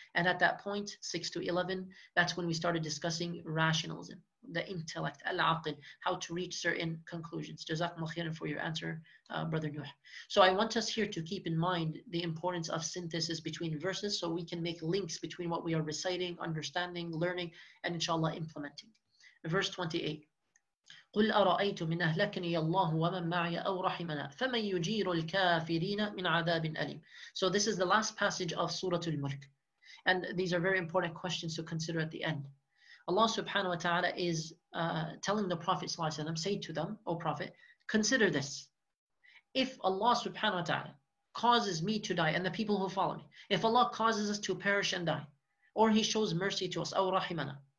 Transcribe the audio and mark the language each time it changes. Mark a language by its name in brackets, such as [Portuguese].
[English] And at that point, 6 to 11, that's when we started discussing rationalism, the intellect, al-aqid, how to reach certain conclusions. [Arabic] جَزَاكُمُ خَيْرًا [English] for your answer, Brother Nuh. So I want us here to keep in mind the importance of synthesis between verses so we can make links between what we are reciting, understanding, learning, and inshallah, implementing. Verse 28. [Arabic] قُلْ أَرَأَيْتُ مِنْ أَهْلَكَنِيَ اللَّهُ وَمَنْ مَعْيَ أَوْ رَحِمَنَا فَمَنْ يُجِيرُ الْكَافِرِينَ مِنْ عَذَابٍ أَلِيمٍ [English] So this is the last passage of Surah Al-Mulk. And these are very important questions to consider at the end. Allah subhanahu wa ta'ala is telling the Prophet sallallahu alayhi wa sallam, say to them, O Prophet, consider this. If Allah subhanahu wa ta'ala causes me to die and the people who follow me, if Allah causes us to perish and die, or He shows mercy to us, [Arabic] أَوْ رَحِمَنَا